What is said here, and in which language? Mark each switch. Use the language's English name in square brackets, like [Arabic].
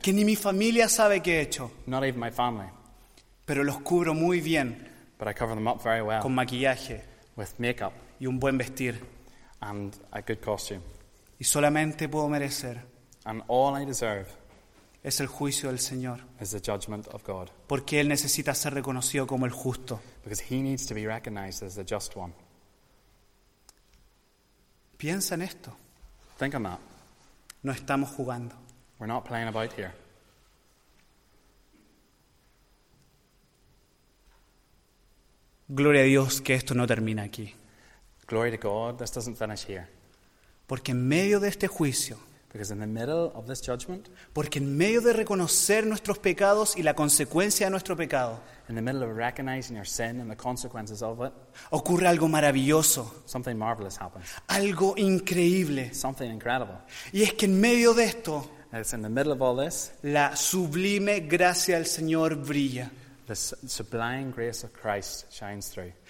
[Spanish] Que ni mi familia sabe qué he hecho. [English] Not even my family. [Spanish] Pero los cubro muy bien. [English] But I cover them up very well. [Spanish] Con maquillaje. [English] With makeup. [Spanish] Y un buen vestir. [English] And a good costume. [Spanish] Y solamente puedo merecer. [English] And all I deserve. [Spanish] Es el juicio del Señor. [English] Is the judgment of God. [Spanish] Porque Él necesita ser reconocido como el justo. [English] Because he needs to be recognized as the just one. [Spanish] Piensa en esto. [English] Think on that. [Spanish] No estamos jugando. [English] We're not playing about here. [Spanish] Gloria a Dios que esto no termina aquí. [English] Glory to God, this doesn't finish here. [Spanish] Porque en medio de este juicio, [English] because in the middle of this judgment, [Spanish] porque en medio de reconocer nuestros pecados y la consecuencia de nuestro pecado, [English] in the middle of recognizing your sin and the consequences of it, [Spanish] ocurre algo maravilloso, [English] something marvelous happens, [Spanish] algo increíble, [English] something incredible. [Spanish] Y es que en medio de esto, [English] it's in the middle of all this, [Spanish] la sublime gracia del Señor brilla. [English] The sublime grace of Christ shines through.